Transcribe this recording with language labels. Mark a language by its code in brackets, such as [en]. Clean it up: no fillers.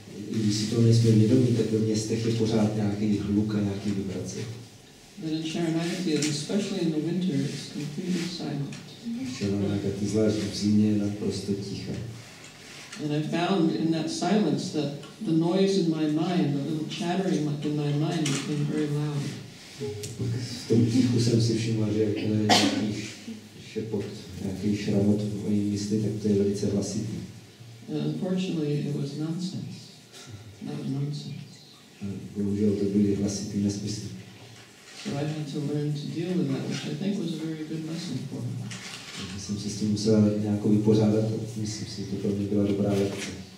[cs] Když si to nejsme vědomí, tak ve městech je pořád nějaký hluk a nějaký vibrace. [en] Then in Charanagati, especially in the winter, it's completely silent. [cs] Charanagati, zvlášť v zimě, je naprosto ticha. [en] And I found in that silence that the noise in my mind, the little chattering up in my mind, became very loud. [cs] Pak v tom tichu jsem si všiml, že jak to je nějaký šepot, nějaký šramot v mojí mysli, tak to je velice hlasitý. [en] And unfortunately, it was nonsense. [cs] Bohužel to byly hlasitý nesmysly. [en] So I had to learn to deal with that, which I think was a very good lesson for me. [cs] Takže jsem se s tím musel nějak vypořádat a myslím si, že to pro mě byla dobrá lekce.